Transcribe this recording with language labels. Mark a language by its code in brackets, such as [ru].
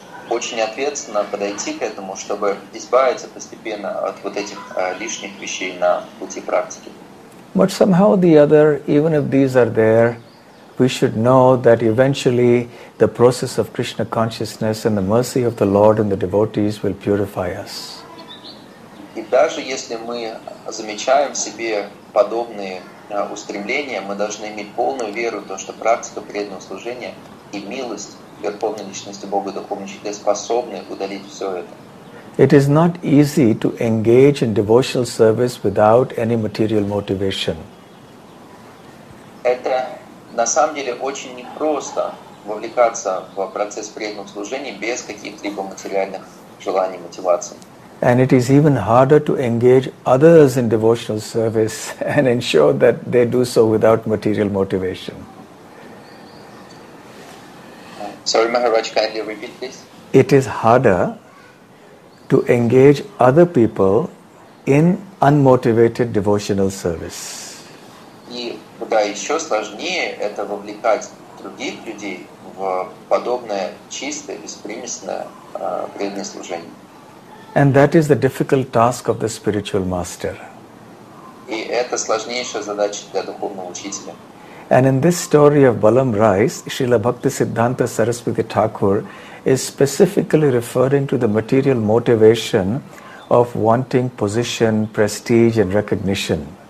[ru] Очень ответственно подойти к этому, чтобы избавиться постепенно от вот этих лишних вещей на пути практики. [en] But somehow or the other, even if these are there, we should know that eventually the process of Krishna consciousness and the mercy of the Lord and the devotees will purify us. [ru] И даже если мы замечаем в себе подобные устремления, мы должны иметь полную веру в то, что практика преданного служения и милость Верховной Личности Бога Духовной Чистоты способны удалить все это. [en] It is not easy to engage in devotional service without any material motivation. [ru] Это на самом деле очень непросто вовлекаться в процесс преданного служения без каких-либо материальных желаний, мотиваций. [en] And it is even harder to engage others in devotional service and ensure that they do so without material motivation. Sorry, Maharaj, kindly repeat, please. It is harder to engage other people in unmotivated devotional service. [ru] И куда еще сложнее это вовлекать других людей в подобное чистое, беспримесное преданное служение. [en] And that is the difficult task of the spiritual master. [ru] И это сложнейшая задача для духовного учителя. [en] And in this story of Balam Rice, Srila Bhaktisiddhanta Saraswati Thakur is specifically referring to the material motivation of wanting position, prestige and recognition.